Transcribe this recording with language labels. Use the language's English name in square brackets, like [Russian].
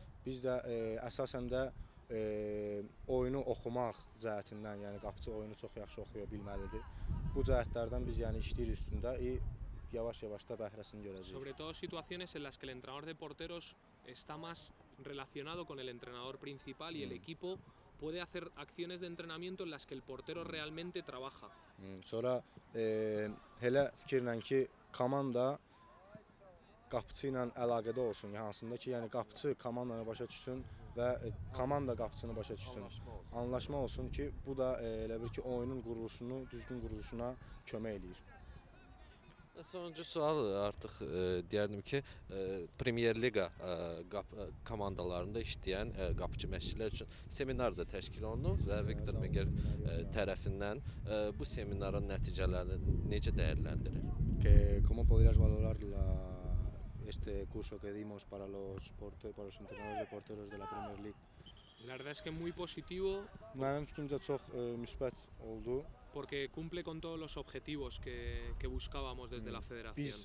[Azerbaijani] Biz də əsasən də oyunu oxumaq cəhətindən, yəni qapıçı oyunu çox yaxşı oxuya bilməlidir. Bu cəhətlərdən biz yəni işləyir üstündə yavaş-yavaş da bəhrəsini görəcəyik. [Spanish] Sobre todo situaciones en las que el entrenador de porteros está más relacionado con el entrenador principal y el equipo puede hacer acciones de entrenamiento en las que el portero realmente trabaja. [Azerbaijani] Sonra hələ fikirlə ki, komanda qapıçı ilə əlaqədə olsun, hansında ki, yəni qapıçı komandanı başa düşsün və komanda qapıçını başa düşsün. Anlaşma olsun ki, bu da elə bir ki, oyunun quruluşunu, düzgün quruluşuna kömək eləyir. Sonuncu sual artıq deyərdim ki, Premier Liga komandalarında işləyən qapıçı məşqçilər üçün seminar da təşkil olunub və Viktor Miger tərəfindən bu seminarın nəticələrini necə dəyərləndirir? [Spanish] Como podrías valorarla este curso que dimos para los porteros, para los entrenadores de porteros de la Premier League? La verdad es que muy positivo. [Azerbaijani] Mənim fikrimcə çox müsbət oldu. [Spanish] Porque cumple con todos los objetivos que buscábamos desde la federación.